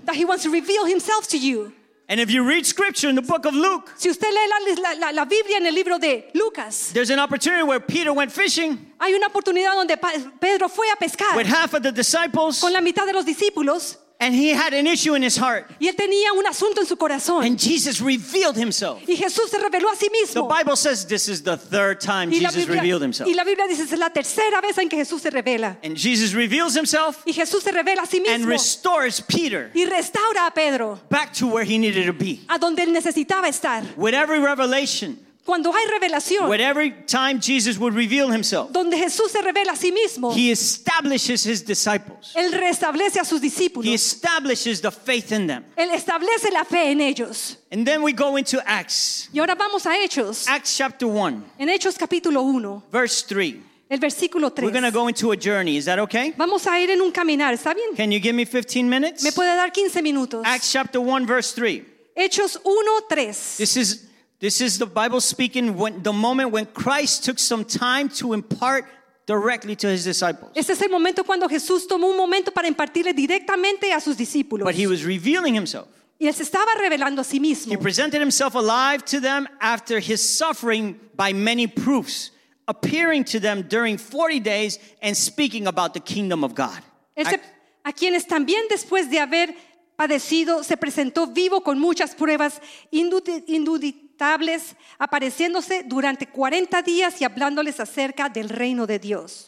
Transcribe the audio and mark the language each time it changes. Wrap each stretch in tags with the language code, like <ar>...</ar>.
<en>That he wants to reveal himself to you. And if you read scripture in the book of Luke,</en> <es>si usted lee la Biblia en el libro de Lucas,</es> <en>there's an opportunity where Peter went fishing.</en> <es>Hay una oportunidad donde Pedro fue a pescar.</es> <en>With half of the disciples.</en> <es>Con la mitad de los discípulos.</es> <en>And he had an issue in his heart.</en> <es>Y él tenía un asunto en su corazón.</es> <en>And Jesus revealed himself.</en> <es>Y Jesús se reveló a sí mismo.</es> <en>The Bible says this is the third time Jesus revealed himself.</en> <es>Y la Biblia dice es la tercera vez en que Jesús se revela.</es> <en>And Jesus reveals himself.</en> <es>Y Jesús se revela a sí mismo.</es> <en>And restores Peter.</en> <es>Y restaura a Pedro.</es> <en>Back to where he needed to be.</en> <es>A donde él necesitaba estar.</es> <en>With every revelation.</en> <es>Cuando hay revelación.</es> <en>With every time Jesus would reveal himself.</en> <es>Donde Jesús se revela a sí mismo.</es> <en>He establishes his disciples.</en> <es>Él restablece a sus discípulos.</es> <en>He establishes the faith in them.</en> <es>Él establece la fe en ellos.</es> <en>And then we go into Acts.</en> <es>Y ahora vamos a Hechos.</es> <en>Acts chapter 1.</en> <es>En Hechos capítulo 1.</es> <en>Verse 3.</en> <es>El versículo 3.</es> <en>We're going to go into a journey. Is that okay?</en> <es>Vamos a ir en un caminar. ¿Está bien?</es> <en>Can you give me 15 minutes?</en> <es>¿Me puede dar 15 minutos?</es> <en>Acts chapter 1 verse 3.</en> <es>Hechos 1, 3.</es> <en>This is the Bible speaking when the moment when Christ took some time to impart directly to his disciples.</en> <es>Este es el momento cuando Jesús tomó un momento para impartirle directamente a sus discípulos.</es> <en>But he was revealing himself.</en> <es>Y él se estaba revelando a sí mismo.</es> <en>He presented himself alive to them after his suffering by many proofs, appearing to them during 40 days and speaking about the kingdom of God.</en> <es>A quienes también después de haber padecido se presentó vivo con muchas pruebas indudables. Apareciéndose durante 40 días y hablándoles acerca del reino de Dios.</es>